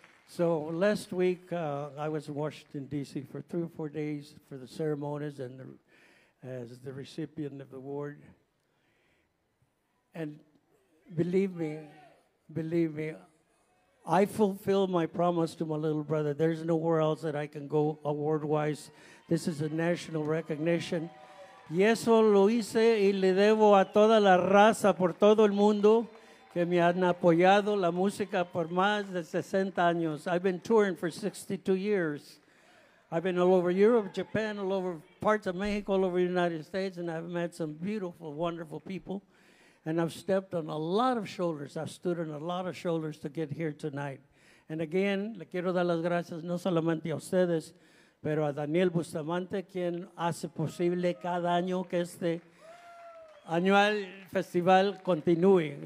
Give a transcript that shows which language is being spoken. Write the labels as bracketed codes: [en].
[en] So last week, I was in Washington, D.C. for 3 or 4 days for the ceremonies and as the recipient of the award. And believe me, I fulfill my promise to my little brother. There's nowhere else that I can go award-wise. This is a national recognition. [es] Y eso lo hice y le debo a toda la raza por todo el mundo que me han apoyado la música por más de 60 años. [en] I've been touring for 62 years. I've been all over Europe, Japan, all over parts of Mexico, all over the United States, and I've met some beautiful, wonderful people. And I've stepped on a lot of shoulders. I've stood on a lot of shoulders to get here tonight. And again, le quiero dar las gracias no solamente a ustedes, pero a Daniel Bustamante, quien hace posible cada año que este annual festival continúe.